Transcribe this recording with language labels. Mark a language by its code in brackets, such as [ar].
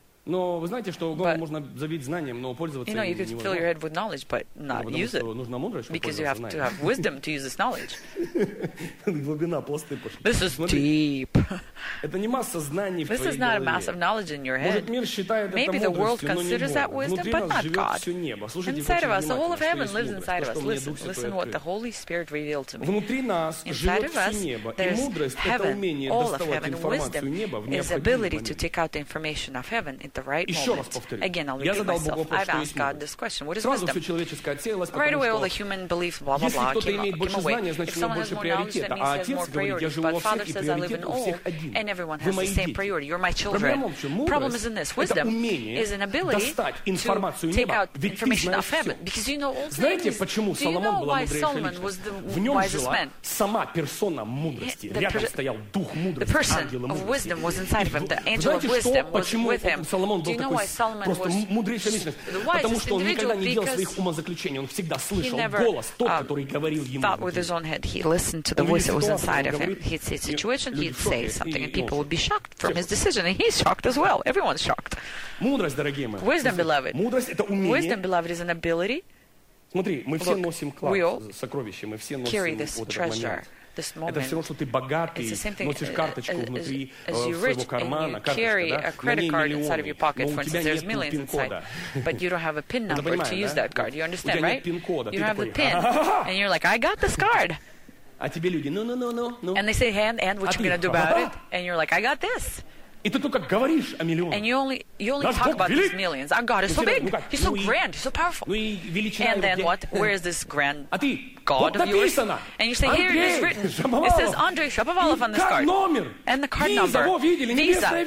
[ru] Но вы знаете, что голову можно забить знанием, но пользоваться им невозможно. [en] You know, you can fill your head with knowledge, but not use it. [ru] Нужна мудрость, [en] because you have to have wisdom to use this knowledge. [ru] Глубина пласты пошли. [en] This is deep. [ru] Это не масса знаний в твоей голове. [en] This is not a mass of knowledge in your head. [ru] Может, мир считает это мудростью, но не Бог. Внутри нас живет все небо. Слушайте очень внимательно, что есть мудрость. [en] Inside of us, the whole of heaven lives inside of us. Listen what the Holy Spirit revealed to me. [ru] Внутри нас живет все небо. И мудрость – это умение доставать информацию неба в необходимый момент. [en] Information of heaven at the right moment. Again, I'll repeat myself. I've asked God this question. What is wisdom? Right away, all the human beliefs, blah, blah, blah, came away. If someone has more knowledge, that means they have more priorities. But Father says, I live in all, and everyone has the same priority. You're my children. Problem is in this. Wisdom is an ability to take out information of heaven. Because you know all things. Do you know why Solomon was the wisest man? The person of wisdom was inside of him. The angel of wisdom was with him. [ru] Соломон был такой просто мудрейшей личностью, потому что он никогда не делал своих умозаключений, он всегда слышал голос, тот, который говорил ему. [en] Thought with his own head, he listened to the voice that was inside of him. He'd see a situation, he'd say something, and people would be shocked from his decision, and he's shocked as well. Everyone's shocked. [ru] Мудрость, дорогие мои. [en] Wisdom, beloved. [ru] Мудрость — это умение. [en] Wisdom, beloved, is an ability. [ru] Смотри, мы все носим клад, сокровище, мы все носим вот этот момент. [en] This moment, [ru] это все равно, что ты богатый, [en] it's the same thing [ru] носишь карточку внутри своего кармана, [en] you carry a credit card inside of your pocket, for instance, there's millions inside. But you don't have a PIN number to use that card. You understand, right? You don't have the PIN. And you're like, I got this card. And they say, and what you gonna do about it? And you're like, I got this. [ru] И ты только говоришь о миллионах. [en] And you only talk about these millions. Our God is so big. He's so grand. He's so powerful. And then what? Where is this grand God of yours? And you say, here it is written. It says Andrei Shapovalov on this card. And the card number. Visa.